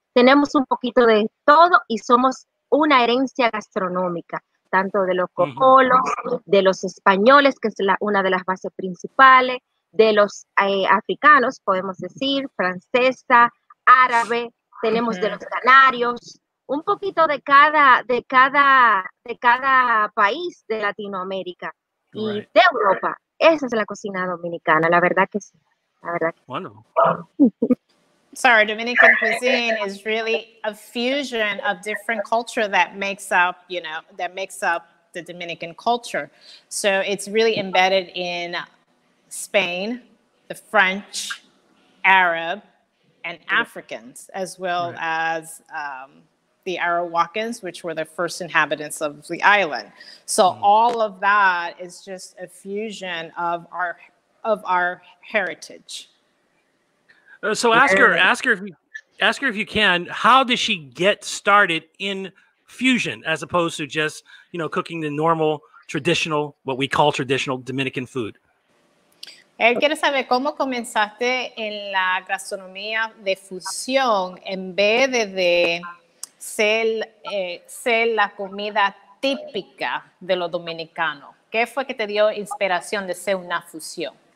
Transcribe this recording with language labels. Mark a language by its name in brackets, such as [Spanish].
[Spanish] Tenemos un poquito de todo y somos una herencia gastronómica, tanto de los cocolos, de los españoles, que es una de las bases principales, de los africanos, podemos decir, francesa, árabe, tenemos de los canarios, un poquito de cada país de Latinoamérica y de Europa. Esa es la cocina dominicana, la verdad que sí. [English] Sorry, Dominican cuisine is really a fusion of different culture that makes up, the Dominican culture. So it's really embedded in Spain, the French, Arab, and Africans, as well as the Arawakans, which were the first inhabitants of the island. So all of that is just a fusion of our heritage. So ask her if you can, how did she get started in fusion as opposed to just, cooking the normal, traditional, what we call traditional Dominican food? [Spanish] Él quiere saber cómo comenzaste en la gastronomía de fusión en vez de ser la comida típica de los dominicanos. ¿Qué fue que te dio inspiración de ser una fusión?